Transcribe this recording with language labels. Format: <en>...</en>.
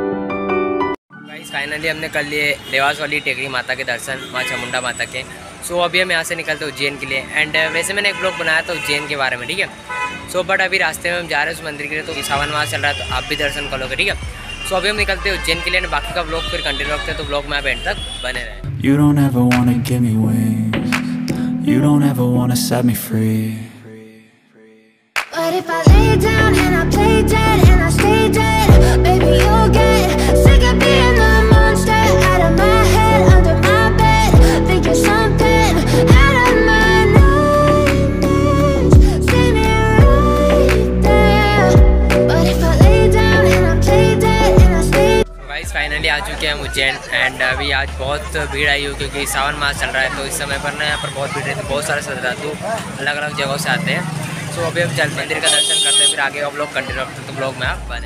<hi>Finally हमने कर लिए देवास वाली टेकरी माता के दर्शन, माँ चामुंडा माता के। सो अभी हम यहाँ से निकलते हैं उज्जैन के लिए। एंड वैसे मैंने एक ब्लॉग बनाया था उज्जैन के बारे में, ठीक है? सो बट अभी रास्ते में हम जा रहे हैं उस मंदिर के लिए, तो सावन मास चल रहा है तो आप भी दर्शन कर लोगे, ठीक है? सो अभी हम निकलते हैं उज्जैन के लिए, बाकी का ब्लॉग फिर कंटिन्यू रखते हैं, तो ब्लॉग में आप एंड तक बने रहे।</hi> <en>You don't ever wanna give me wings. You don't ever wanna set me free. But if I lay down and I play dead and I stay dead, baby you'll get sick of being the monster out of my head, under my bed, thinking something out of my nightmares. See me right there. But if I lay down and I play dead and I stay dead. Guys, finally</en> <hi>आ चुके हैं Ujjain. And अभी आज बहुत भीड़ आई हुई क्योंकि सावन मास चल रहा है, तो इस समय पर ना यहाँ पर बहुत भीड़ रहती है, बहुत सारे श्रद्धालु अलग अलग जगहों से आते हैं। तो अभी हम जल मंदिर का दर्शन करते हैं, फिर आगे आप लोग कंटिन्यू करते हैं, तो ब्लॉग में आप बने</hi>